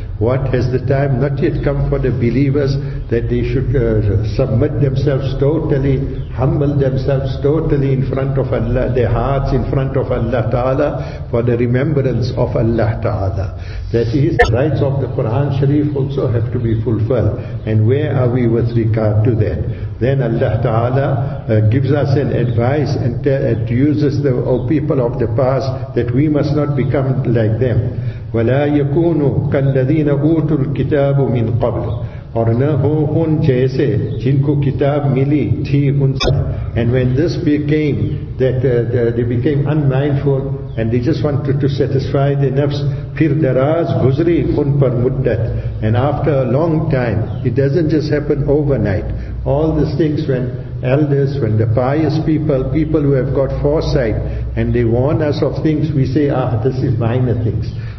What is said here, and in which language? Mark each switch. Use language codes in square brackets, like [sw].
[en] What has the time not yet come for the believers that they should submit themselves totally, humble themselves totally in front of Allah, their hearts in front of Allah Ta'ala for the remembrance of Allah Ta'ala. That is, the rights of the Quran Sharif also have to be fulfilled. And where are we with regard to that? Then Allah Ta'ala gives us an advice and uses the people of the past that we must not become like them. [ar] وَلَا يَكُونُوا كَالَّذِينَ أُوتُوا الْكِتَابُ مِنْ قَبْلُ [ur] اور نہ ہو ان جیسے جن کو کتاب ملی تھی ان سے. [en] And when this became that they became unmindful and they just wanted to satisfy their nafs, [ur] پھر دراز گزری ان پر مدت. [en] And after a long time, it doesn't just happen overnight. All these things, when elders, when the pious people, people who have got foresight, and they warn us of things, we say, ah, this is minor things.